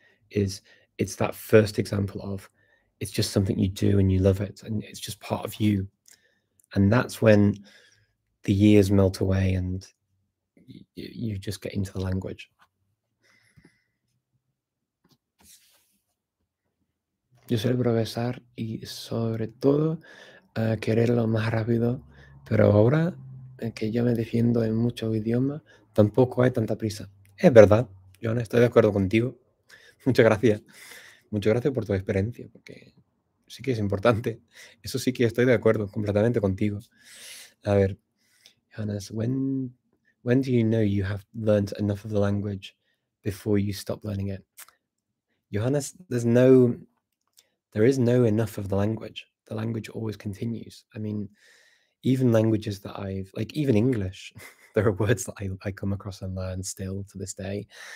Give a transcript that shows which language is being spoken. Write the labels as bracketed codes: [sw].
[en] It's that first example of, it's just something you do and you love it and it's just part of you. And that's when the years melt away and you just get into the language. [es] Yo soy el profesor y sobre todo quererlo más rápido, pero ahora que yo me defiendo en muchos idiomas, tampoco hay tanta prisa. Es verdad, John, estoy de acuerdo contigo. Muchas gracias. Muchas gracias por tu experiencia, porque sí que es importante. Eso sí que estoy de acuerdo completamente contigo. A ver, [en] Johannes, when do you know you have learned enough of the language before you stop learning it? Johannes, there is no enough of the language. The language always continues. I mean, even languages that I've, like even English, there are words that I come across and learn still to this day.